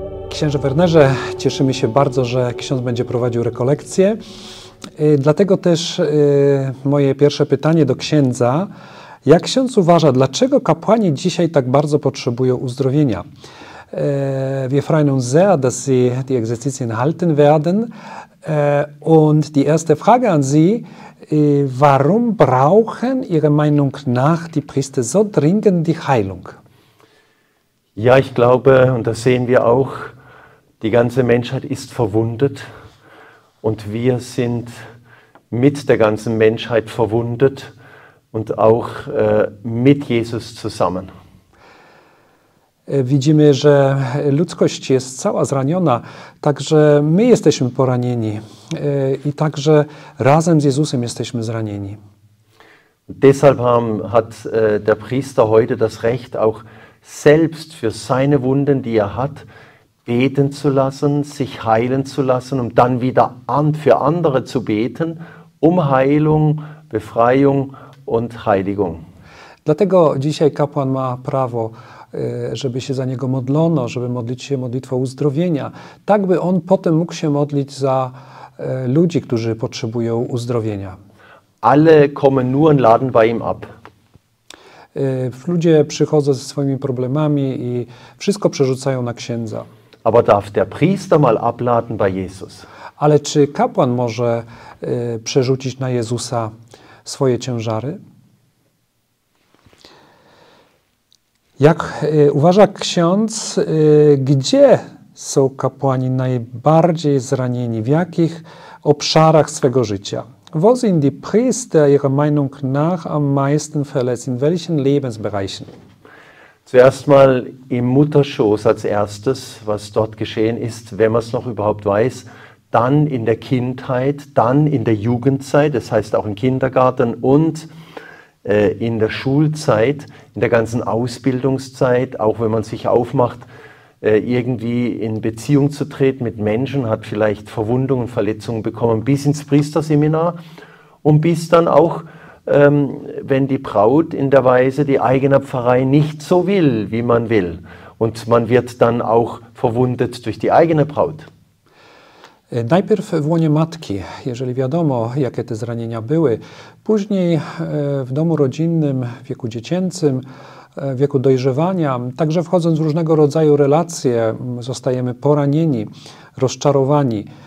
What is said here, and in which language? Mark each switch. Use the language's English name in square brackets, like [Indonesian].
[Polish] Księże Wernerze, cieszymy się bardzo, że ksiądz będzie prowadził rekolekcję. Dlatego też moje pierwsze pytanie do księdza. Jak ksiądz uważa, dlaczego kapłani dzisiaj tak bardzo potrzebują uzdrowienia? [German] Wir freuen uns sehr, dass Sie die Exerzitien halten werden. Und die erste Frage an Sie, warum brauchen Ihrer Meinung nach die Priester so dringend die Heilung? Ja, ich glaube, und das sehen wir auch, die ganze Menschheit ist verwundet und wir sind mit der ganzen Menschheit verwundet und auch mit Jesus zusammen. [Polish] Widzimy, że ludzkość jest cała zraniona, także my jesteśmy poranieni i także razem z Jezusem jesteśmy zranieni. [German] Deshalb hat der Priester heute das Recht, auch selbst für seine Wunden, die hat, beten zu lassen, sich heilen zu lassen, um dann wieder für andere zu beten, um Heilung, Befreiung und Heiligung. [Polish] Dlatego dzisiaj kapłan ma prawo, żeby się za niego modlono, żeby modlić się modlitwą uzdrowienia, tak by on potem mógł się modlić za ludzi, którzy potrzebują uzdrowienia. [German] Alle kommen nur und laden bei ihm ab. [Polish] Ludzie przychodzą ze swoimi problemami i wszystko przerzucają na księdza. [German] Aber darf der Priester mal abladen bei Jesus? [Polish] Ale czy kapłan może przerzucić na Jezusa swoje ciężary? Jak uważa ksiądz, gdzie są kapłani najbardziej zranieni? W jakich obszarach swego życia? [German] Wo sind die Priester Ihrer Meinung nach am meisten verletzt? In welchen Lebensbereichen? Zuerst mal im Mutterschoß als erstes, was dort geschehen ist, wenn man es noch überhaupt weiß, dann in der Kindheit, dann in der Jugendzeit, das heißt auch im Kindergarten und in der Schulzeit, in der ganzen Ausbildungszeit, auch wenn man sich aufmacht, irgendwie in Beziehung zu treten mit Menschen, hat vielleicht Verwundungen, Verletzungen bekommen, bis ins Priesterseminar und bis dann auch, wenn die Braut in der Weise die eigene Pfarrei nicht so will, wie man will. Und man wird dann auch verwundet durch die eigene Braut. [Polish] Najpierw w łonie matki, jeżeli wiadomo, jakie te zranienia były. Później w domu rodzinnym, w wieku dziecięcym, w wieku dojrzewania. Także wchodząc w różnego rodzaju relacje, zostajemy poranieni, rozczarowani.